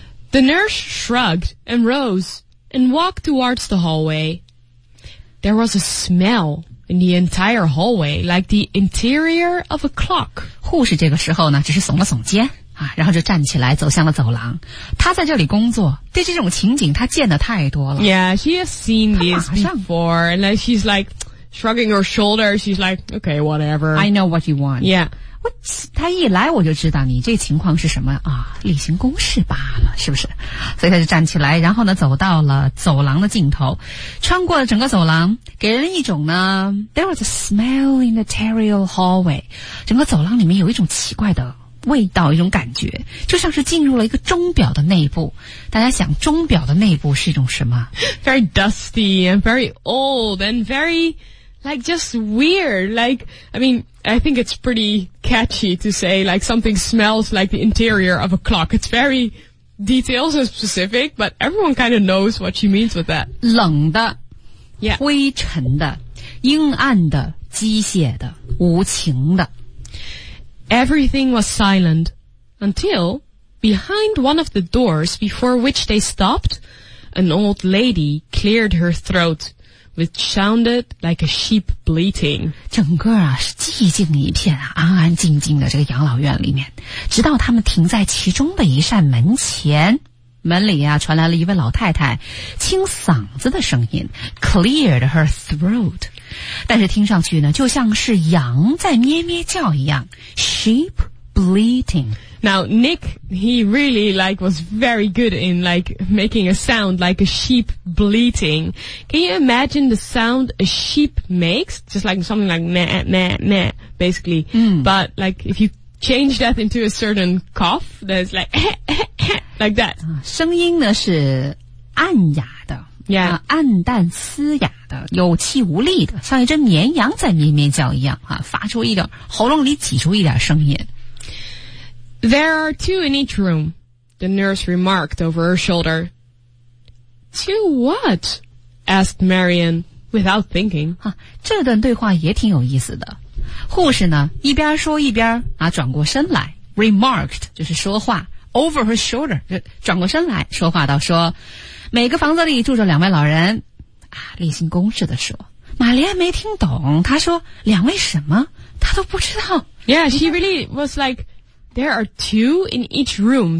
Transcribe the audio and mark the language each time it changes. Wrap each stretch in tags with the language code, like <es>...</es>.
<en>The nurse shrugged and rose and walked towards the hallway. There was a smell in the entire hallway, like the interior of a clock.</en> <zh>护士这个时候呢只是耸了耸肩啊，然后就站起来走向了走廊。他在这里工作，对这种情景他见得太多了。</zh> <en>Yeah, she has seen this before, and then she's like shrugging her shoulders. She's like, okay, whatever. I know what you want. Yeah,</en> <zh>他一来我就知道你这情况是什么啊，例行公事罢了，是不是？所以他就站起来，然后呢走到了走廊的尽头，穿过了整个走廊，给人一种呢 ，</zh> <en>there was a smell in the interior hallway.</en> <zh>整个走廊里面有一种奇怪的。味道一种感觉就像是进入了一个钟表的内部大家想钟表的内部是一种什么</zh> <en>very dusty and very old and very like just weird like I mean I think it's pretty catchy to say like something smells like the interior of a clock it's very details and specific but everyone kind of knows what she means with that</en> <zh>冷的、</zh> <en>yeah.</en> <zh>灰尘的阴暗的机械的无情的</zh> <en>Everything was silent until behind one of the doors before which they stopped, an old lady cleared her throat, which sounded like a sheep bleating.</en> <zh>整个啊是寂静一片啊安安静静的这个养老院里面直到他们停在其中的一扇门前门里啊传来了一位老太太清嗓子的声音</zh> <en>cleared her throat.</en> <zh>但是听上去呢就像是羊在咩咩叫一样 sheep</zh> <en>bleating. Now, Nick, he really, like, was very good in, like, making a sound like a sheep bleating. Can you imagine the sound a sheep makes? Just like something like meh, meh, meh, basically. Mm. But, like, if you change that into a certain cough, then it's like, like that.</en> <zh>声音呢是 暗哑的。</zh> <en>Yeah.</en> <zh>暗淡嘶哑的, 有气无力的, 像一只绵羊在绵绵叫一样, 啊, 发出一点, 喉咙里挤出一点声音。</zh> <en>There are two in each room, the nurse remarked over her shoulder. Two what? Asked Marion, without thinking.</en> <zh>啊, 这段对话也挺有意思的。护士呢, 一边说一边, 啊, 转过身来, remarked, 就是说话,</zh> <en>over her shoulder,</en> <zh>转过身来, 说话到说, 每个房子里住着两位老人，啊，例行公事的说。玛丽安没听懂，她说两位什么？她都不知道。</zh> <en>Yeah, she really was like, there are two in each room.</en>